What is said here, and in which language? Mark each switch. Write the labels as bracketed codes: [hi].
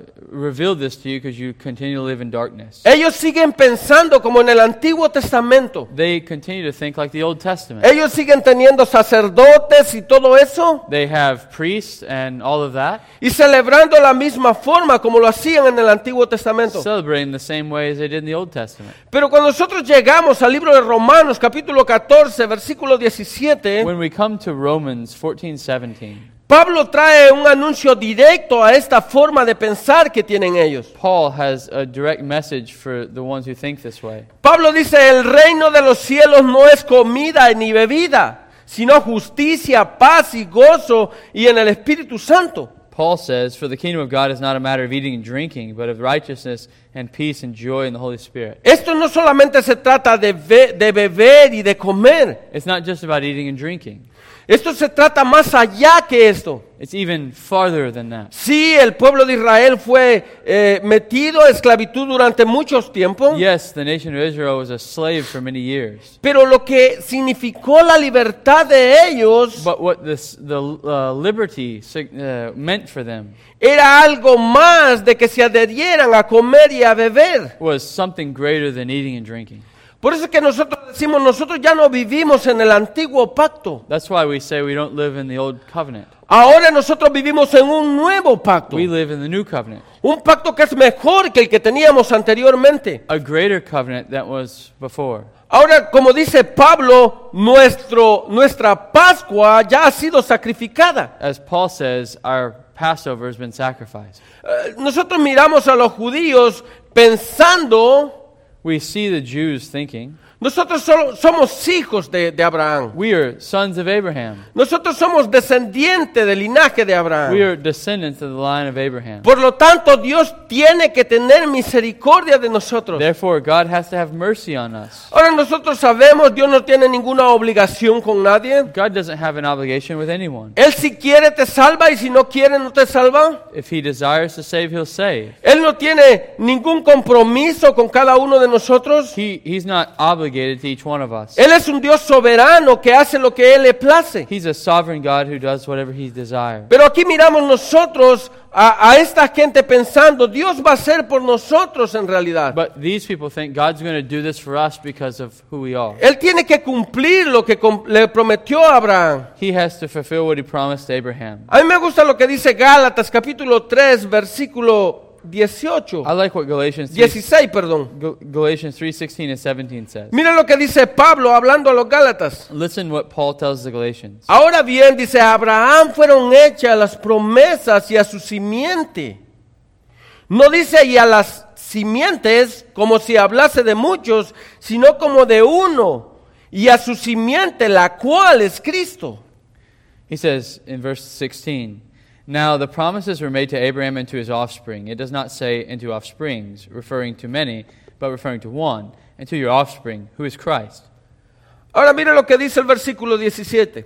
[en] Revealed this to you because you continue to live in darkness. [es] Ellos siguen pensando como en el Antiguo Testamento. [en] They continue to think like the Old Testament. [es] Ellos siguen teniendo sacerdotes y todo eso. [en] They have priests and all of that. [es] Y celebrando la misma forma como lo hacían en el Antiguo Testamento. [en] Celebrating the same way as they did in the Old Testament. [es] Pero cuando nosotros llegamos al libro de Romanos, capítulo 14, versículo 17. [en] When we come to Romans 14, 17. [es] Pablo trae un anuncio directo a esta forma de pensar que tienen ellos. [en] Paul has a direct message for the ones who think this way. [es] Pablo dice, el reino de los cielos no es comida ni bebida, sino justicia, paz y gozo y en el Espíritu Santo. [en] Paul says, for the kingdom of God is not a matter of eating and drinking, but of righteousness and peace and joy in the Holy Spirit. [es] Esto no solamente se trata de beber y de comer. [en] It's not just about eating and drinking. [es] Esto se trata más allá que esto. [en] It's even farther than that. [es] Sí, el pueblo de Israel fue metido a esclavitud durante muchos tiempos. [en] Yes, the nation of Israel was a slave for many years. [es] Pero lo que significó la libertad de ellos, [en] but what this, the liberty meant for them, [es] era algo más de que se adherieran a comer y a beber. [en] Was something greater than eating and drinking. [es] Por eso que nosotros decimos, nosotros ya no vivimos en el antiguo pacto. [en] That's why we say we don't live in the old covenant. [es] Ahora nosotros vivimos en un nuevo pacto. [en] We live in the new covenant. [es] Un pacto que es mejor que el que teníamos anteriormente. [en] A greater covenant than was before. [es] Ahora, como dice Pablo, nuestra Pascua ya ha sido sacrificada. [en] As Paul says, our Passover has been sacrificed. [es] Nosotros miramos a los judíos pensando. [en] We see the Jews thinking. [es] Nosotros somos hijos de Abraham. [en] We are sons of Abraham. [es] Nosotros somos descendientes del linaje de Abraham. [en] We are descendants of the line of Abraham. [es] Por lo tanto, Dios tiene que tener misericordia de nosotros. [en] Therefore, God has to have mercy on us. [es] Ahora nosotros sabemos, Dios no tiene ninguna obligación con nadie. [en] God doesn't have an obligation with anyone. [es] Él si quiere te salva y si no quiere no te salva. [en] If he desires to save, he'll save. [es] Él no tiene ningún compromiso con cada uno de nosotros. [en] He's not obligated to each one of us. [es] Él es un Dios soberano que hace lo que él le place. [en] He's a sovereign God who does whatever he desires. [es] Pero aquí miramos nosotros a esta gente pensando, Dios va a ser por nosotros en realidad. [en] But these people think God's going to do this for us because of who we are. [es] Él tiene que cumplir lo que le prometió a Abraham. [en] He has to fulfill what he promised Abraham. [es] A mí me gusta lo que dice Gálatas capítulo 3 versículo 18. [en] I like what Galatians [es] 3, 16, perdón. [en] Galatians 3, 16 and 17 says. [es] Mira lo que dice Pablo hablando a los Gálatas. [en] Listen what Paul tells the Galatians. [es] Ahora bien, dice, Abraham fueron hechas las promesas y a su simiente. No dice y a las simientes, como si hablase de muchos, sino como de uno. Y a su simiente, la cual es Cristo. [en] He says in verse 16. Now the promises were made to Abraham and to his offspring. It does not say into offsprings, referring to many, but referring to one, and to your offspring, who is Christ. [es] Ahora mire lo que dice el versículo 17.